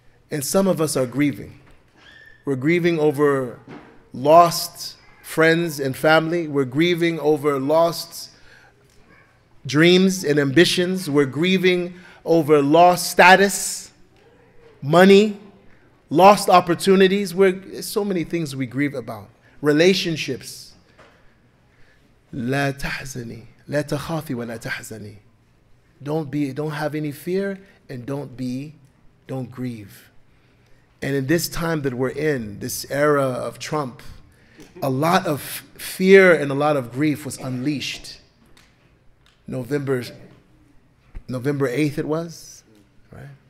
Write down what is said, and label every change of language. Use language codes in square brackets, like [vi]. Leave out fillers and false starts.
[en] And some of us are grieving. We're grieving over lost friends and family. We're grieving over lost dreams and ambitions. We're grieving over lost status, money, lost opportunities. There's so many things we grieve about. Relationships. [ar] لا تحزني لا تخافي ولا تحزني. [en] Don't have any fear and don't grieve. And in this time that we're in, this era of Trump, a lot of fear and a lot of grief was unleashed. November 8th it was, right?